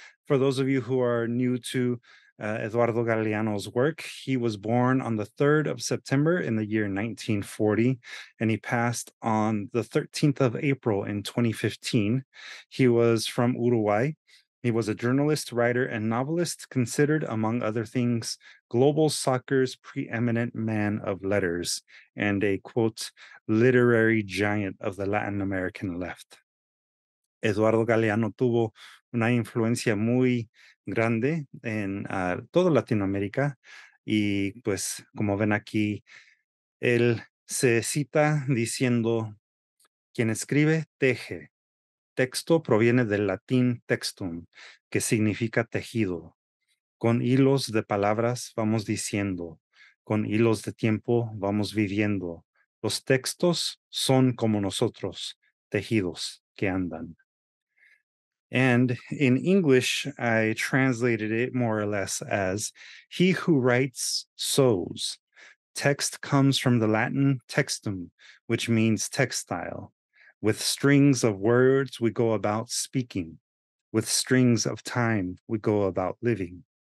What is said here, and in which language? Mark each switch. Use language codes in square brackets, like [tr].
[en] For those of you who are new to Eduardo Galeano's work, he was born on the 3rd of September in the year 1940, and he passed on the 13th of April in 2015. He was from Uruguay. He was a journalist, writer, and novelist, considered, among other things, global soccer's preeminent man of letters and a, quote, literary giant of the Latin American left. [es] Eduardo Galeano tuvo una influencia muy grande en toda Latinoamérica. Y pues, como ven aquí, él se cita diciendo, quien escribe, teje. Texto proviene del latín textum, que significa tejido. Con hilos de palabras vamos diciendo, con hilos de tiempo vamos viviendo. Los textos son como nosotros, tejidos que andan. [en] And in English, I translated it more or less as, he who writes sews. Text comes from the Latin textum, which means textile. With strings of words, we go about speaking. With strings of time, we go about living.